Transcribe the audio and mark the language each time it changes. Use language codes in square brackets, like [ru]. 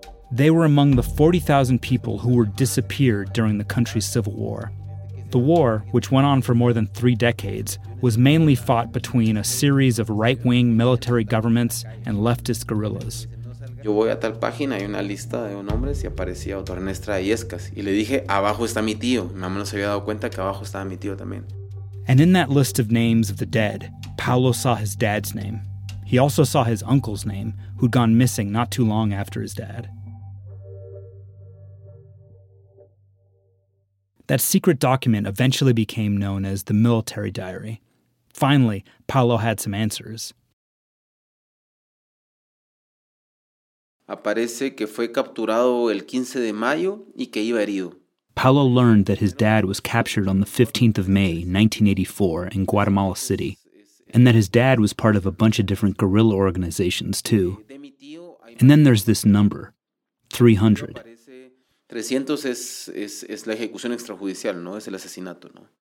[en] They were among the 40,000 people who were disappeared during the country's civil war. The war, which went on for more than 3 decades, was mainly fought between a series of right-wing military governments and leftist guerrillas. [es] Yo voy a tal página, hay una lista de nombres y aparecía Otto René Estrada Iescas. Y le dije, abajo está mi tío. Mi mamá no se había dado cuenta que abajo estaba mi tío también. [en] And in that list of names of the dead, Paulo saw his dad's name. He also saw his uncle's name, who'd gone missing not too long after his dad. That secret document eventually became known as the military diary. Finally, Paulo had some answers. [es] Aparece que fue capturado el 15 de mayo y que iba herido. [en] Paulo learned that his dad was captured on the 15th of May, 1984, in Guatemala City, and that his dad was part of a bunch of different guerrilla organizations, too. And then there's this number, 300. [es] 300 es la ejecución extrajudicial, ¿no? Es el asesinato, ¿no?